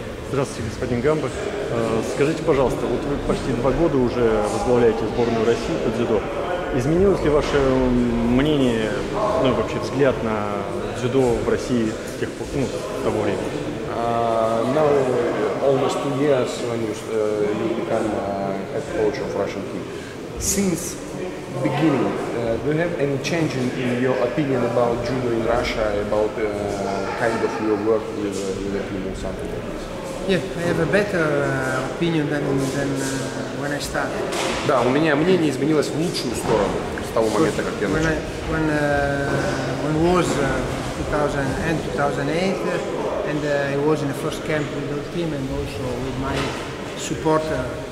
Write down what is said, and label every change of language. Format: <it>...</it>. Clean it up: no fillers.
<ru>Здравствуйте, господин Гамбах. Скажите, пожалуйста, вот вы почти два года уже возглавляете сборную России по дзюдо. Изменилось ли ваше мнение, ну и вообще взгляд на дзюдо в России с тех пор, ну, того времени?</ru> <en>Now, almost 2 years when you become head coach of Russian team. Since beginning, do you have any change in your opinion about judo in Russia, about kind of your work with the team or something like this? Yeah, I have a better opinion than when I started.</en> <ru>Да, у меня мнение изменилось в лучшую сторону с того момента, как я начал.</ru> <en>When was 2008, and I was in the first camp with the team and also with my supporter.</en>